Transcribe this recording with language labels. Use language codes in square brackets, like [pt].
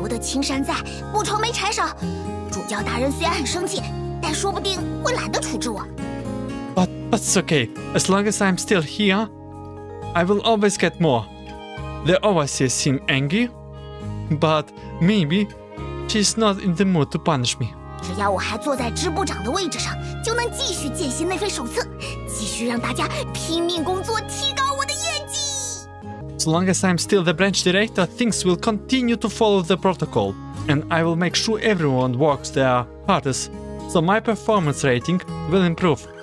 [zh] 不过没关系，里屋的青山在，不愁没柴烧。主教大人虽然很生气，但说不定会懒得处置我。 [en] But it's okay. As long as I'm still here, I will always get more. The overseer seems angry, but maybe she's not in the mood to punish me. [zh] 只要我还坐在支部长的位置上，就能继续践行那份手册，继续让大家拼命工作，提高我的业绩。 [en] As long as I'm still the branch director, things will continue to follow the protocol. And I will make sure everyone works their hardest, so my performance rating will improve.